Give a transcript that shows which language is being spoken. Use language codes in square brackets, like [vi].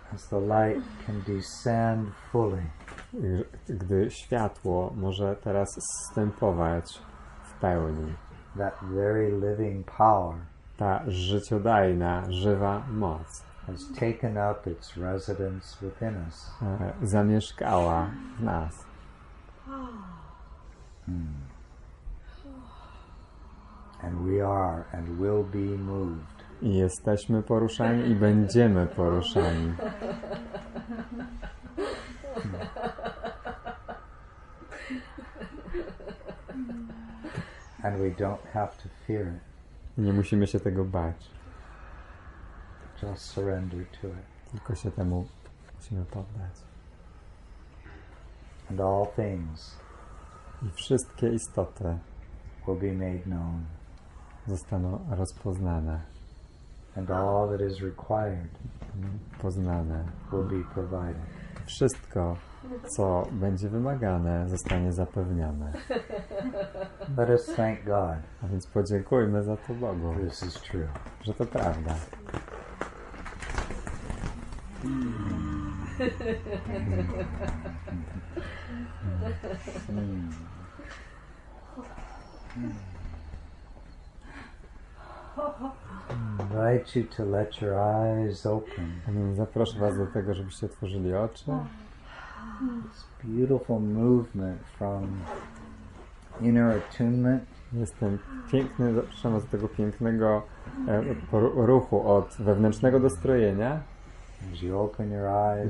[en] as the light can descend fully, [pl] gdy światło może teraz zstępować w pełni, [en] that very living power, [pl] ta życiodajna, żywa moc, [en] has taken up its residence within us. [pl] Zamieszkała w nas. [en] And we are and will be moved. [pl] I jesteśmy poruszani i będziemy poruszani. [en] And we don't have to fear it. [pl] Nie musimy się tego bać. [en] Just surrender to it. [pl] Tylko się temu musimy poddać. [en] And all things, [pl] i wszystkie istoty, [en] will be made known. [pl] Zostaną rozpoznane. [en] And all that is required, [pl] poznane. [en] Will be provided. [pl] Wszystko, co będzie wymagane, zostanie zapewnione. [en] Let us thank God. [pl] A więc podziękujmy za to Bogu. [en] This is true. [pl] Że to prawda. [en] Invite you to let your eyes open. [pl] Zapraszam was do tego, żebyście otworzyli oczy. [en] This beautiful movement from inner attunement. [pl] Jest ten piękny, zapraszam was do tego pięknego ruchu od wewnętrznego dostrojenia. [en] As you open your eyes,